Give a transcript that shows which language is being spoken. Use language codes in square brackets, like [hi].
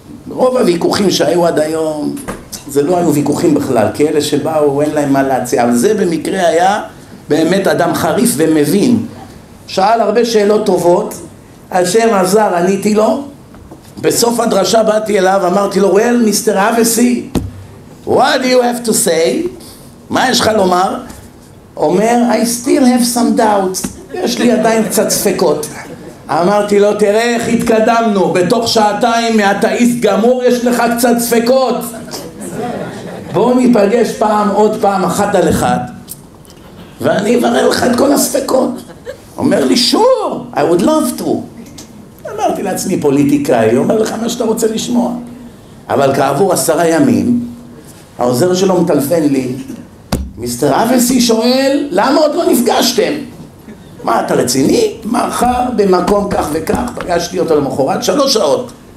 [he] רוב הוויכוחים שהיו עד היום, זה לא היו ויכוחים בכלל, כאלה שבאו, אין להם מה להציע. אבל זה במקרה היה באמת אדם חריף ומבין. שאל הרבה שאלות טובות, השם עזר, עניתי לו. בסוף הדרשה באתי אליו, אמרתי לו, [en] well, Mr. Avesi, what do you have to say? [he] מה יש לך לומר? אומר, [en] I still have some doubts. [he] יש לי עדיין קצת ספקות. אמרתי לו, תראה איך התקדמנו, בתוך שעתיים מהתאיסט גמור יש לך קצת ספקות. בואו ניפגש פעם, עוד פעם, אחת על אחד, ואני אברר לך את כל הספקות. אומר לי, [en] sure, I would love to. [he] אמרתי לעצמי, פוליטיקאי, אומר לך מה שאתה רוצה לשמוע. אבל כעבור 10 ימים, העוזר שלו מטלפן לי, מיסטר אבסי שואל, למה עוד לא נפגשתם? מה, אתה רציני? מחר במקום כך וכך, פגשתי אותו למחרת 3 שעות.